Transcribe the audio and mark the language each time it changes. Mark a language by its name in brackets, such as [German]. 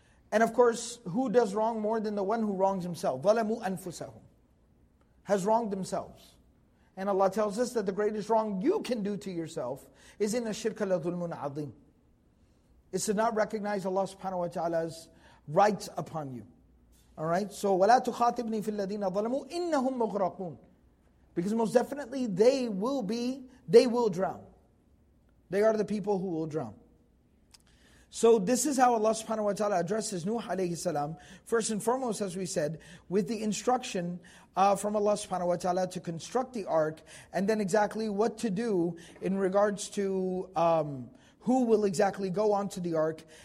[English] And of course, who does wrong more than the one who wrongs himself? [Arabic] ظَلَمُوا أَنفُسَهُمْ, [English] has wronged themselves. And Allah tells us that the greatest wrong you can do to yourself is in [Arabic] الشِّرْكَ لَظُلْمٌ عَظِيمٌ. [English] It's to not recognize Allah subhanahu wa ta'ala's rights upon you. Alright, so [Arabic] وَلَا تُخَاطِبْنِي فِي الَّذِينَ ظَلَمُوا إِنَّهُمْ مُغْرَقُونَ. [English] Because most definitely they will drown. They are the people who will drown. So this is how Allah subhanahu wa ta'ala addresses Nuh alayhi salam. First and foremost, as we said, with the instruction from Allah subhanahu wa ta'ala to construct the ark, and then exactly what to do in regards to who will exactly go onto the ark.